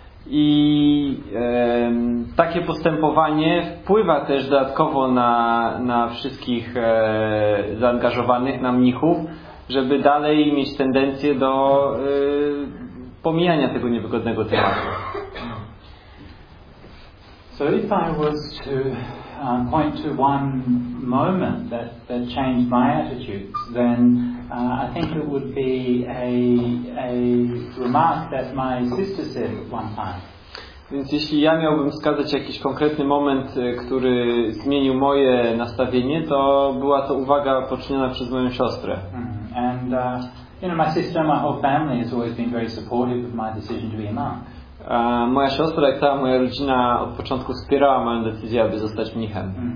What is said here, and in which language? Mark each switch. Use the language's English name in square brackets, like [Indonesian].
[Polish] I takie postępowanie wpływa też dodatkowo na wszystkich zaangażowanych, na mnichów, żeby dalej mieć tendencję do pomijania tego niewygodnego tematu. [English] So if I was to point to one moment that changed my attitude, then I think it would be a remark that my sister said one time. [Polish] Więc jeśli ja miałbym wskazać jakiś konkretny moment, który zmienił moje nastawienie, to była to uwaga poczyniona przez moją siostrę. [English] And you know, my sister, my whole family has always been very supportive of my decision to be a monk. [Polish] Moja siostra, jak cała moja rodzina, od początku wspierała moją decyzję, aby zostać mnichem.